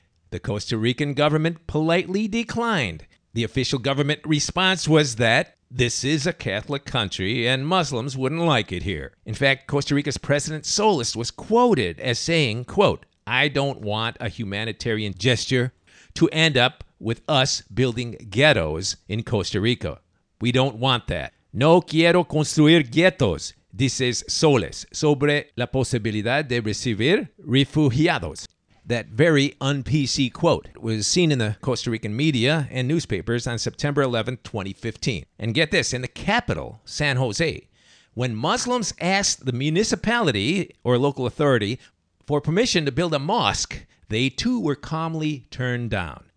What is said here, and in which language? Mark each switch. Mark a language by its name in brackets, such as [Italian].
[English] The Costa Rican government politely declined. The official government response was that this is a Catholic country and Muslims wouldn't like it here. In fact, Costa Rica's President Solis was quoted as saying, quote, I don't want a humanitarian gesture to end up with us building ghettos in Costa Rica. We don't want that. [Spanish] No quiero construir ghettos, dices Solis, sobre la posibilidad de recibir refugiados. [English] That very un-PC quote was seen in the Costa Rican media and newspapers on September 11, 2015. And get this, in the capital, San Jose, when Muslims asked the municipality or local authority for permission to build a mosque, they too were calmly turned down.